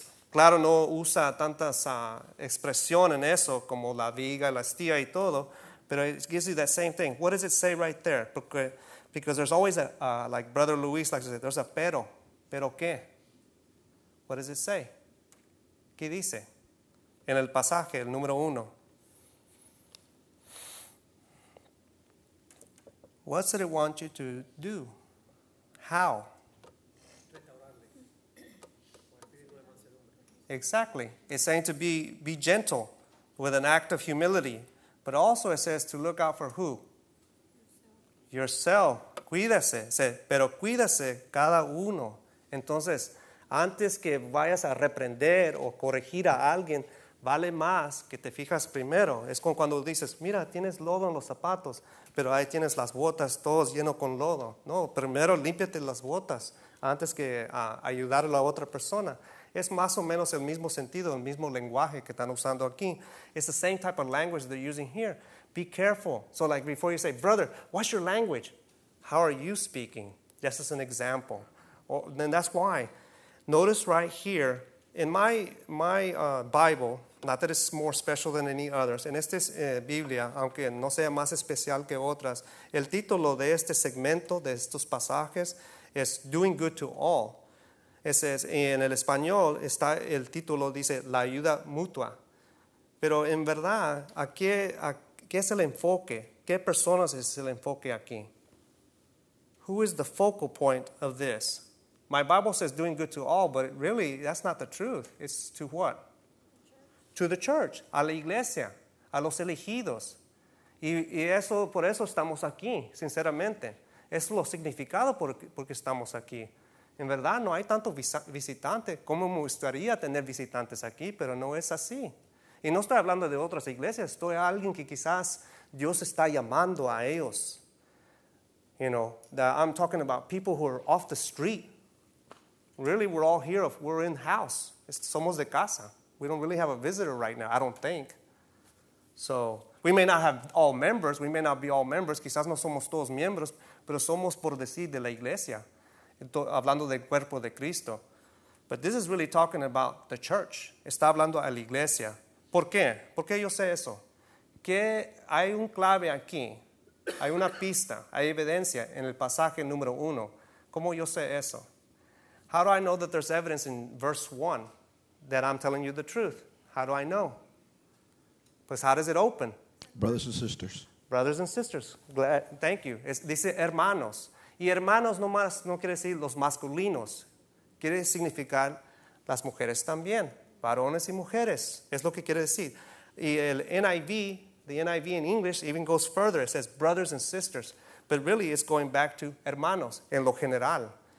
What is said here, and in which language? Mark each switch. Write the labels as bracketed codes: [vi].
[es] Claro, no usa tantas expresiones en eso como la viga, la astilla y todo, pero [en] it gives you that same thing. What does it say right there? Because there's always a like Brother Luis likes to say, there's a pero. [es] ¿Pero qué? [en] What does it say? [es] ¿Qué dice? En el pasaje, el número uno. [en] What does it want you to do? How? Exactly. It's saying to be gentle with an act of humility. But also it says to look out for who? Yourself. [es] Cuídese. Pero cuídese cada uno. Entonces, antes que vayas a reprender o corregir a alguien, vale más que te fijas primero. Es como cuando dices, mira, tienes lodo en los zapatos, pero ahí tienes las botas todos lleno con lodo. No, primero límpiate las botas antes que ayudar a la otra persona. Es más o menos el mismo sentido, el mismo lenguaje que están usando aquí. [en] It's the same type of language they're using here. Be careful. So like before you say, brother, what's your language? How are you speaking? This is an example. Well, then that's why. Notice right here, in my Bible, not that it's more special than any others, [es] en esta Biblia, aunque no sea más especial que otras, el título de este segmento, de estos pasajes, es Doing Good to All. Ese es, en el español está el título, dice, La Ayuda Mutua. Pero en verdad, ¿a qué es el enfoque? ¿Qué personas es el enfoque aquí? [en] Who is the focal point of this? My Bible says doing good to all, but really, that's not the truth. It's to what? To the church, [es] a la iglesia, a los elegidos. Y eso, por eso estamos aquí, sinceramente. Es lo significado porque estamos aquí. En verdad, no hay tanto visitante. Como me gustaría tener visitantes aquí, pero no es así. Y no estoy hablando de otras iglesias. Estoy a alguien que quizás Dios está llamando a ellos. [en] You know, that I'm talking about people who are off the street. Really, we're all here. We're in house. [es] Somos de casa. [en] We don't really have a visitor right now, I don't think. So we may not have all members. We may not be all members. [es] Quizás no somos todos miembros, pero somos por decir de la iglesia. Hablando del cuerpo de Cristo. [en] But this is really talking about the church. [es] Está hablando a la iglesia. ¿Por qué? ¿Por qué yo sé eso? Que hay un clave aquí. Hay una pista. Hay evidencia en el pasaje número uno. ¿Cómo yo sé eso? [en] How do I know that there's evidence in verse one that I'm telling you the truth? How do I know? Pues how does it open? Brothers and sisters. Brothers and sisters. Glad, thank you. [es] Dice hermanos. Y hermanos no más no quiere decir los masculinos, quiere significar las mujeres también, varones y mujeres, es lo que quiere decir. Y el NIV, [en] the NIV in English even goes further, it says brothers and sisters, but really it's going back to [es] hermanos en lo general.